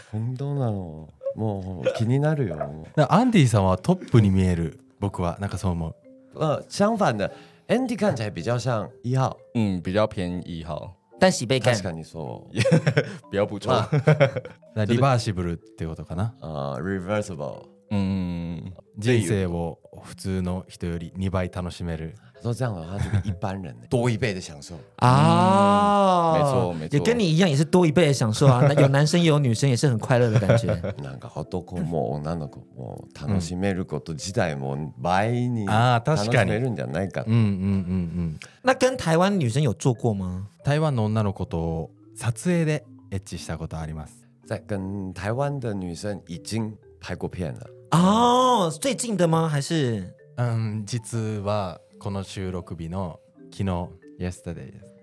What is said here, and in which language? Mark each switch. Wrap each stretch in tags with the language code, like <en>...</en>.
<ja>本当なの。もう気になるよ。那アンディさんはトップに見える。僕はなんかそう思う。</ja> <zh>相反的 Andy 看起来比较像一号，嗯，比较偏一号。但喜贝看，</zh> <ja>確かにそう。</ja> <zh>比较不错。</zh> <ja>那 reversible 的ことかな？</ja> <en>reversible。</en> <ja>人生を普通の人より2倍楽しめる。</ja> <zh>都这样的话，就比一般人多一倍的享受啊！没错，没错，也跟你一样，也是多一倍的享受啊！有男生也有女生，也是很快乐的感觉。</zh> <ja>なんか男も女の子も楽しめること自体も倍に楽しめるんじゃないか。嗯嗯嗯嗯。</ja> <zh>那跟台湾女生有做过吗？</zh> <ja>台湾の女の子と撮影でエッチしたことあります。</ja> <zh>在跟台湾的女生已经拍过片了。哦，最近的吗？还是？</zh> <ja>実はこの収録日の昨日 ，yesterday。</ja>